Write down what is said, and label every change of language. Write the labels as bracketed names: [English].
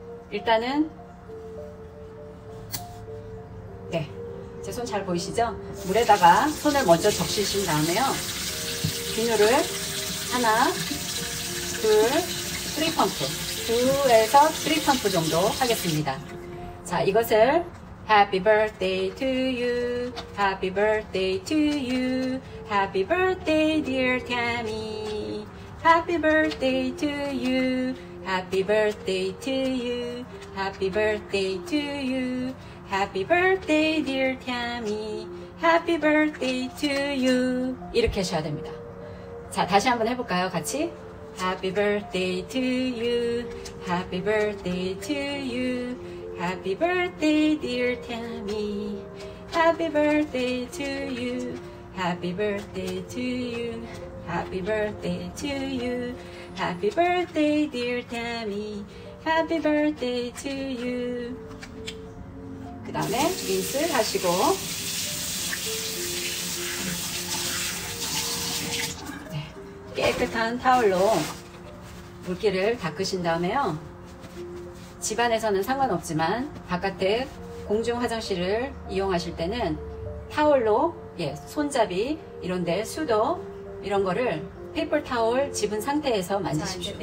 [Korean] 일단은 네, 제 손 잘 보이시죠? 물에다가 손을 먼저 적시신 다음에요, 비누를 하나, 둘, 쓰리 펌프, 2에서 쓰리 펌프 정도 하겠습니다. 자, 이것을 [English] Happy birthday to you, Happy birthday to you, Happy birthday dear Tammy, Happy birthday to you, Happy birthday to you, Happy birthday to you, Happy birthday dear Tammy, Happy birthday to you. [Korean] 이렇게 하셔야 됩니다. 자, 다시 한번 해볼까요? 같이. [English] Happy birthday to you, Happy birthday to you, Happy birthday dear Tammy, Happy birthday to you, Happy birthday to you, Happy birthday to you, Happy birthday dear Tammy, Happy birthday to you. [Korean] 그 다음에 린스 하시고 깨끗한 타월로 물기를 닦으신 다음에요, 집안에서는 상관없지만 바깥에 공중화장실을 이용하실 때는 타월로 예, 손잡이 이런데 수도 이런 거를 페이퍼 타월 집은 상태에서 만지십시오.